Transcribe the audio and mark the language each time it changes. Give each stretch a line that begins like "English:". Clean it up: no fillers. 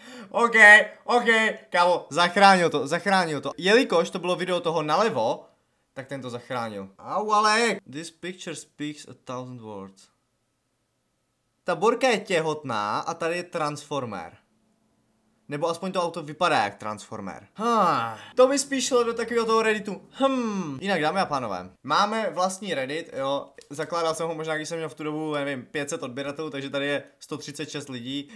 Czech: OK, kámo, zachránil to. Jelikož to bylo video toho nalevo, tak ten to zachránil. Au, Alek!
English: This picture speaks a thousand words.
Czech: Ta borka je těhotná a tady je Transformer. Nebo aspoň to auto vypadá jak Transformer. To mi spíš šlo do takového toho Redditu. Jinak, dámy a pánové, máme vlastní Reddit, jo. Zakládal jsem ho možná, když jsem měl v tu dobu, nevím, 500 odběratelů, takže tady je 136 lidí.